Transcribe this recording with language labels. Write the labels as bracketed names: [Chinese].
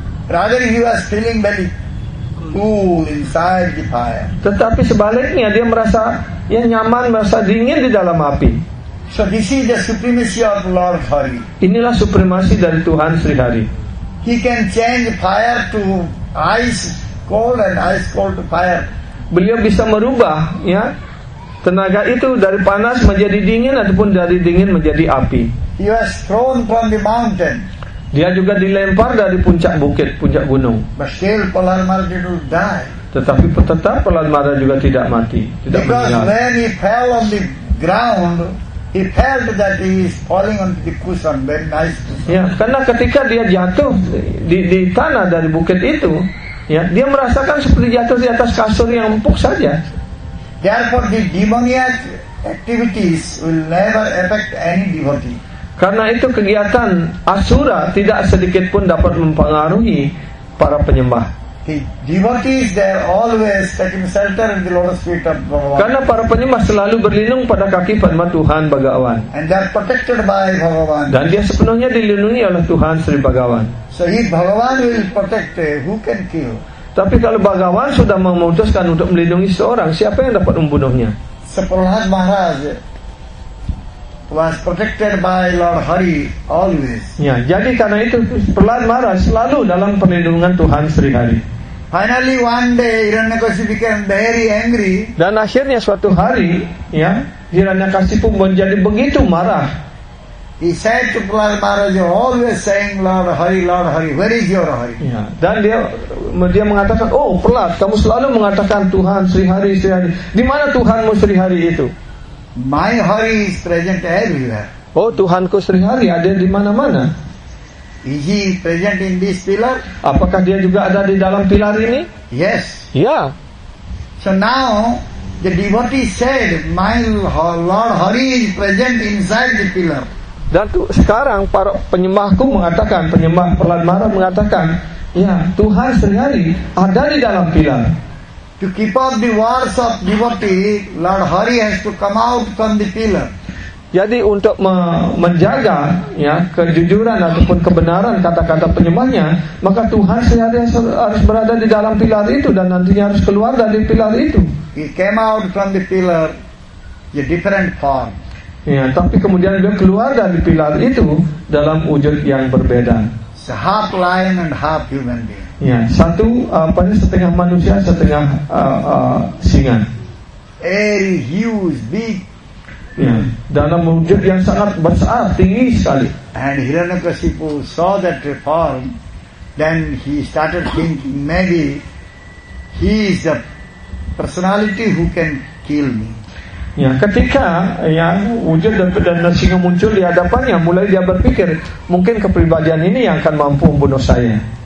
[English] Rather he was feeling very cool inside the fire. [Indonesian] Tetapi sebaliknya dia merasa ya nyaman, merasa dingin di dalam api. [English] So this is the supremacy of Lord Hari. [Indonesian] Inilah supremasi dari Tuhan Sri Hari. [English] He can change fire to ice cold and ice cold to fire. [Indonesian] Beliau bisa merubah ya tenaga itu dari panas menjadi dingin ataupun dari dingin menjadi api. [English] He was thrown from the mountain. [Indonesian] Dia juga dilempar dari puncak bukit, puncak gunung. [English] But still Prahlad Maharaj did not die. [Indonesian] Tetapi tetap Prahlad Maharaj juga tidak mati, tidak [English] because [Indonesian] meninggal. [English] When he fell on the ground, he felt that he is falling onto the cushion, very nice cushion. [Indonesian] Ya, karena ketika dia jatuh di tanah dari bukit itu, ya, dia merasakan seperti jatuh di atas kasur yang empuk saja. [English] Therefore, the demoniac activities will never affect any devotee. [Indonesian] Karena itu kegiatan asura tidak sedikit pun dapat mempengaruhi para penyembah. [English] The devotees there always taking shelter in the lotus feet of Bhagavan. [Indonesian] Karena para penyembah selalu berlindung pada kaki Padma Tuhan Bhagavan. [English] And they are protected by Bhagavan. [Indonesian] Dan dia sepenuhnya dilindungi oleh Tuhan Sri Bhagavan. [English] So if Bhagavan will protect, who can kill? [Indonesian] Tapi kalau Bhagavan sudah memutuskan untuk melindungi seorang, siapa yang dapat membunuhnya? [English] Prahlad Maharaj was protected by Lord Hari always. [Indonesian] Ya, jadi karena itu Prahlad Maharaj selalu dalam perlindungan Tuhan Sri Hari. [English] Finally one day Hiranyakashipu became very angry. [Indonesian] Dan akhirnya suatu hari, ya, Hiranyakashipu menjadi begitu marah. [English] He said to Prahlad Maharaj, always saying Lord Hari, where is your Hari? [Indonesian] Ya, dan dia mengatakan, oh Prahlad, kamu selalu mengatakan Tuhan Sri Hari, di mana Tuhanmu Sri Hari itu? [English] My Hari is present everywhere. [Indonesian] Oh, Tuhanku Sri Hari ada di mana-mana. [English] Is he present in this pillar? [Indonesian] Apakah dia juga ada di dalam pilar ini? [English] Yes. [Indonesian] Ya. [English] Yeah. So now the devotee said, my Lord Hari is present inside the pillar. [Indonesian] Dan sekarang para penyembahku mengatakan, penyembah Prahlad Maharaj mengatakan, ya, Tuhan Sri Hari ada di dalam pilar. [English] To keep up the wars of devotee, Lord Hari has to come out from the pillar. [Indonesian] Jadi untuk menjaga ya kejujuran ataupun kebenaran kata-kata penyembahnya, maka Tuhan sehari harus berada di dalam pilar itu dan nantinya harus keluar dari pilar itu. [English] He came out from the pillar a different form. [Indonesian] Ya, tapi kemudian dia keluar dari pilar itu dalam wujud yang berbeda. [English] So half lion and half human being. [Indonesian] Ya, satu apanya setengah manusia setengah singa. [English] Very huge, big. [Indonesian] Ya, dalam wujud yang sangat besar, tinggi sekali. [English] And Hiranyakashipu saw that form, then he started thinking maybe he is the personality who can kill me. [Indonesian] Ya, ketika ya wujud dan singa muncul di hadapannya, mulai dia berpikir mungkin kepribadian ini yang akan mampu membunuh saya.